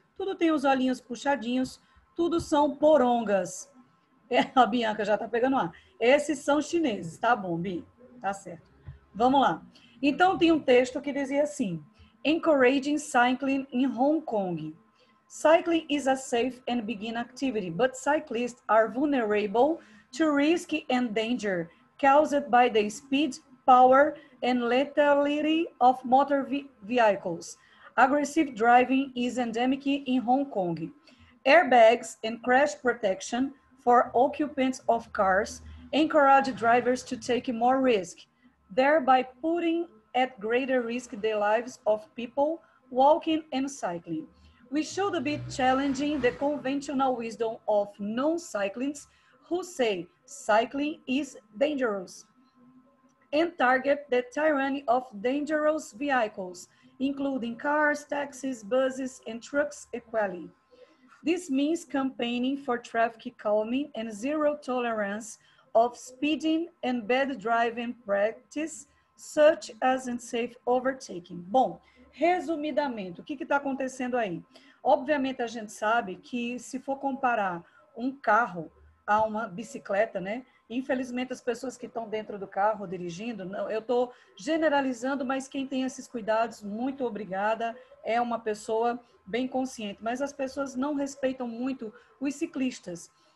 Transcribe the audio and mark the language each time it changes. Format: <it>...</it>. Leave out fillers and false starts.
<pt>Tudo tem os olhinhos puxadinhos. Tudo são porongas. A Bianca já tá pegando ar. Esses são chineses, tá bom, Bi? Tá certo. Vamos lá. Então, tem um texto que dizia assim:</pt> <en>Encouraging cycling in Hong Kong. Cycling is a safe and begin activity, but cyclists are vulnerable to risk and danger caused by the speed, power and lethality of motor vehicles. Aggressive driving is endemic in Hong Kong. Airbags and crash protection for occupants of cars encourage drivers to take more risk, thereby putting at greater risk the lives of people walking and cycling. We should be challenging the conventional wisdom of non-cyclists who say cycling is dangerous and target the tyranny of dangerous vehicles, including cars, taxis, buses, and trucks equally. This means campaigning for traffic calming and zero tolerance of speeding and bad driving practice, such as unsafe overtaking.</en> <pt>Bom, resumidamente, o que está acontecendo aí? Obviamente, a gente sabe que se for comparar um carro a uma bicicleta, né? Infelizmente, as pessoas que estão dentro do carro dirigindo, não, eu estou generalizando, mas quem tem esses cuidados, muito obrigada. É uma pessoa bem consciente, mas as pessoas não respeitam muito os ciclistas.</pt>